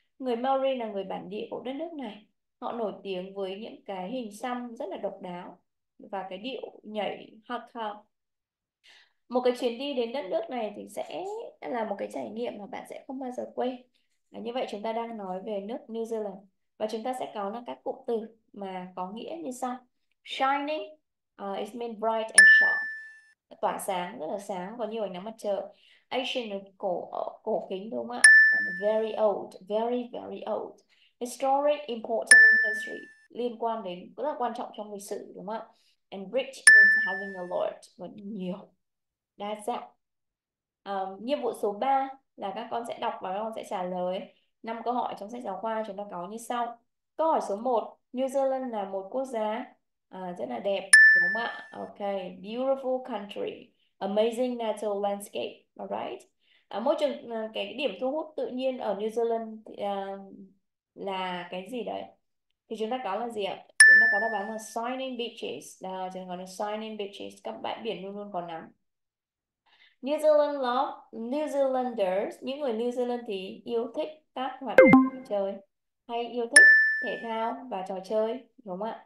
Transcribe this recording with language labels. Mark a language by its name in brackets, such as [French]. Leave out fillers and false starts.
[Vietnamese] Người Maori là người bản địa của đất nước này. Họ nổi tiếng với những cái hình xăm rất là độc đáo và cái điệu nhảy haka. Một cái chuyến đi đến đất nước này thì sẽ là một cái trải nghiệm mà bạn sẽ không bao giờ quên. Và như vậy chúng ta đang nói về nước New Zealand. Và chúng ta sẽ có là các cụm từ mà có nghĩa như sau. [English] Shining, it means bright and sharp. [Vietnamese] Tỏa sáng, rất là sáng, có nhiều ánh nắng mặt trời. Ancient, cổ cổ kính đúng không ạ? [English] Very old, very very old. Historic, important history, [Vietnamese] liên quan đến, rất là quan trọng trong lịch sử đúng không ạ? [English] And rich means having a lot, [Vietnamese] và nhiều, đa dạng. Nhiệm vụ số 3 là các con sẽ đọc và các con sẽ trả lời 5 câu hỏi trong sách giáo khoa chúng ta có như sau. Câu hỏi số 1, New Zealand là một quốc gia rất là đẹp đúng không ạ? [English] Okay, beautiful country, amazing natural landscape, alright. [Vietnamese] Môi trường cái điểm thu hút tự nhiên ở New Zealand là cái gì đấy? Thì chúng ta có là gì ạ? Chúng ta có đáp án là shining beaches. Đó, chúng ta có là shining beaches, các bãi biển luôn luôn có nắng. New Zealanders, những người New Zealand thì yêu thích các hoạt động vui chơi hay yêu thích thể thao và trò chơi đúng không ạ?